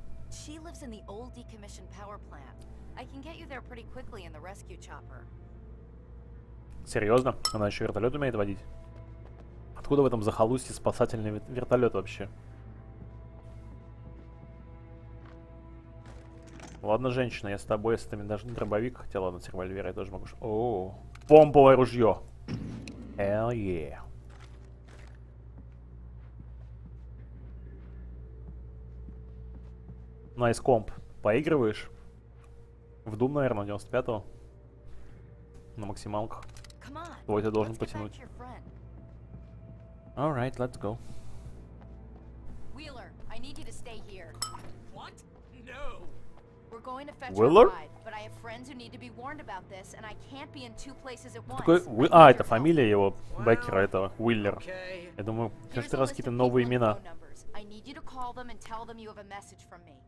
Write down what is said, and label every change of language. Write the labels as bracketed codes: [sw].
[en] She lives in the old decommissioned power plant. I can get you there pretty quickly in the rescue chopper. [ru] Серьезно? Она еще вертолет умеет водить? Откуда в этом захолустье спасательный вертолет вообще? Ладно, женщина, я с тобой, если ты мне даже дробовик хотела, но с револьвера я тоже могу... Оо, помповое ружье. [en] Hell yeah. Nice comp. [ru] Поигрываешь? В Doom, наверное, 95-го. На максималках. Твой ты должен потянуть. [en] Alright, let's go. Wheeler, I need you to stay here. What? No. We're going to fetch Wheeler? Ride, but I have friends who need to be warned about this, and I can't be in two places at once. [ru] А, это фамилия его, бекера этого, Уиллер. Я думаю, каждый раз какие-то новые имена. [en] I need you to call them and tell them you have a message from me.